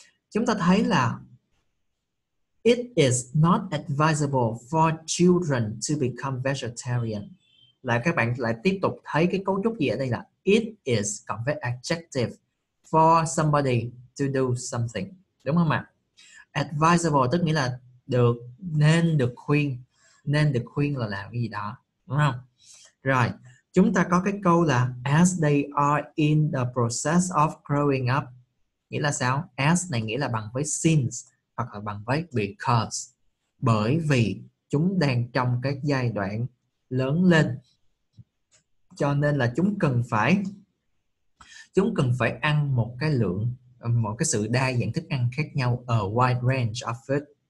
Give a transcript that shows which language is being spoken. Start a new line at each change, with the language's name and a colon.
Vietnamese: Chúng ta thấy là
English: it is not advisable for children to become vegetarian.
Vietnamese: Là các bạn lại tiếp tục thấy cái cấu trúc gì ở đây là
English: it is
Vietnamese: cộng với
English: adjective for somebody to do something.
Vietnamese: Đúng không ạ? Advisable tức nghĩa là được, nên được khuyên. Nên được khuyên là làm cái gì đó. Đúng không? Rồi, chúng ta có cái câu là
English: as they are in the process of growing up.
Vietnamese: Nghĩa là sao? As này nghĩa là bằng với since hoặc là bằng với because. Bởi vì chúng đang trong cái giai đoạn lớn lên, cho nên là chúng cần phải ăn một cái sự đa dạng thức ăn khác nhau,
English: a wide range of food.